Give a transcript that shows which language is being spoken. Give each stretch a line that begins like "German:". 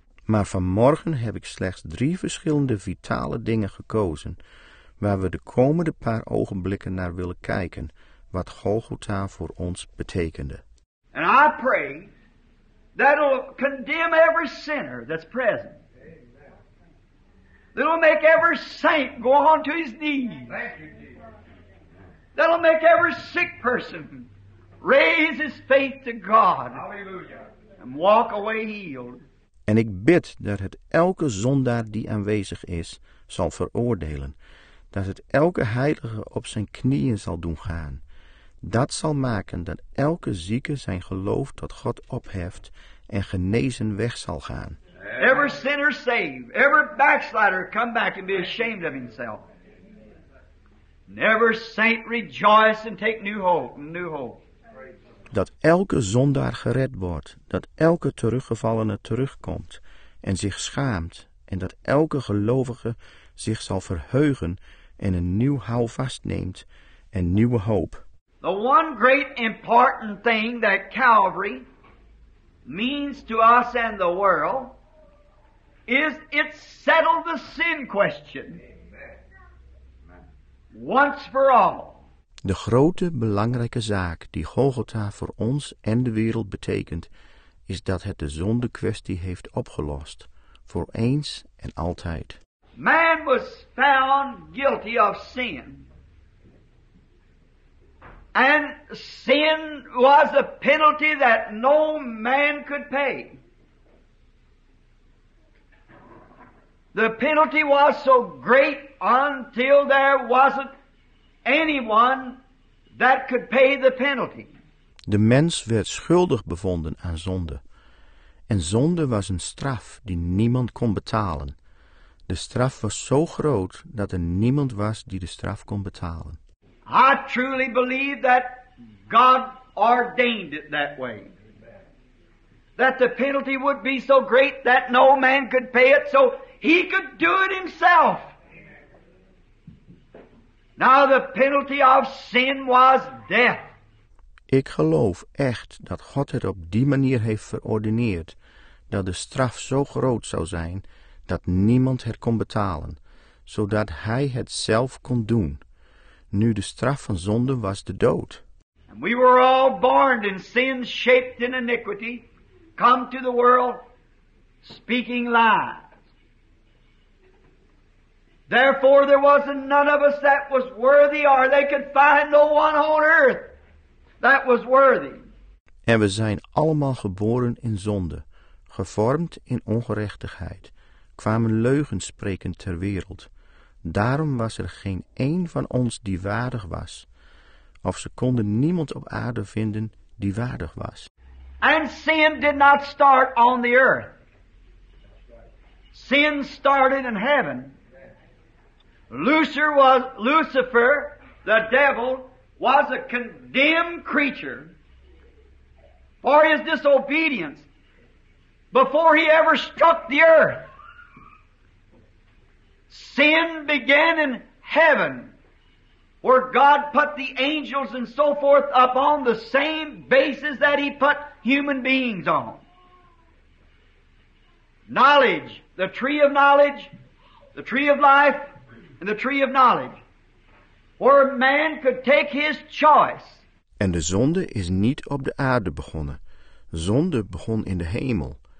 Dutch: Maar vanmorgen heb ik slechts drie verschillende vitale dingen gekozen waar we de komende paar ogenblikken naar willen kijken wat Golgotha voor ons betekende.
English: And I pray that'll condemn every sinner that's present. That'll make every saint go on to his knees. Thank you, Jesus. That'll make every sick person raise his faith to God. Hallelujah. And walk away healed.
Dutch: En ik bid dat het elke zondaar die aanwezig is zal veroordelen. Dat het elke heilige op zijn knieën zal doen gaan. Dat zal maken dat elke zieke zijn geloof tot God opheft en genezen weg zal gaan.
English: Every sinner saved, every backslider come back and be ashamed of himself. Never saint rejoice and take new hope, new hope.
Dutch: Dat elke zondaar gered wordt, dat elke teruggevallene terugkomt en zich schaamt en dat elke gelovige zich zal verheugen en een nieuw houvast neemt en nieuwe hoop.
English: The one great important thing that Calvary means to us and the world is it settled the sin question. Once for all.
Dutch: De grote belangrijke zaak die Golgotha voor ons en de wereld betekent, is dat het de zonde kwestie heeft opgelost, voor eens en altijd.
English: Man was found guilty of sin. And sin was a penalty that no man could pay. The penalty was so great until there wasn't anyone that could pay the penalty.
Dutch: De mens werd schuldig bevonden aan zonde. En zonde was een straf die niemand kon betalen. De straf was zo groot dat er niemand was die de straf kon betalen.
English: I truly believe that God ordained it that way. That the penalty would be so great that no man could pay it, so he could do it himself. Now the penalty of sin was death.
Dutch: Ik geloof echt dat God het op die manier heeft verordineerd, dat de straf zo groot zou zijn dat niemand het kon betalen, zodat hij het zelf kon doen. Nu de straf van zonde was de dood.
English: And we were all born in sin shaped in iniquity, come to the world speaking lies. Therefore there was none of us that was worthy, or they could find no one on earth that was worthy.
Dutch: En we zijn allemaal geboren in zonde, gevormd in ongerechtigheid, kwamen leugens sprekend ter wereld. Daarom was er geen één van ons die waardig was, of ze konden niemand op aarde vinden die waardig was.
English: And sin did not start on the earth. Sin started in heaven. Lucifer, the devil, was a condemned creature for his disobedience before he ever struck the earth. Sin began in heaven, where God put the angels and so forth up on the same basis that he put human beings on. Knowledge, the tree of knowledge, the tree of life, and the tree of knowledge, where man could take his choice.
Dutch: En de zonde is niet op de aarde begonnen. Zonde begon in de hemel.